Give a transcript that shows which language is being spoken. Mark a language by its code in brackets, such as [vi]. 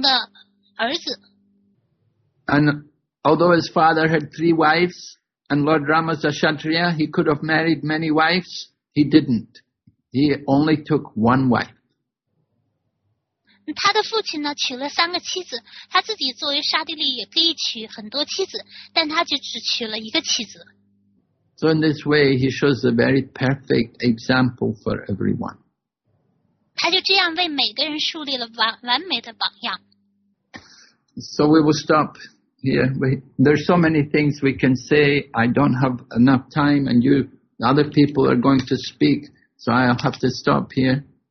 [zh] 主Rama他显示了一个儿子的一个礼仪，如果今天的国王跟他说，你当国王，他会说好的；如果第二天呢，他的父亲跟他说，你去森林待14天，14年，所以他也会一口答应说好的，所以他就表现了一个完美的一个顺从的儿子。 [en] And although his father had 3 wives, and Lord Rama is a Kshatriya, he could have married many wives. He didn't. He only took 1 wife. [zh] 他的父亲呢，娶了3个妻子，他自己作为沙地利也可以娶很多妻子，但他就只娶了一个妻子。 [en] So in this way, he shows a very perfect example for everyone. [zh] 他就这样为每个人树立了完美的榜样。 [en] So we will stop. Yeah, there's so many things we can say. I don't have enough time, and you, other people are going to speak, so I'll have to stop here.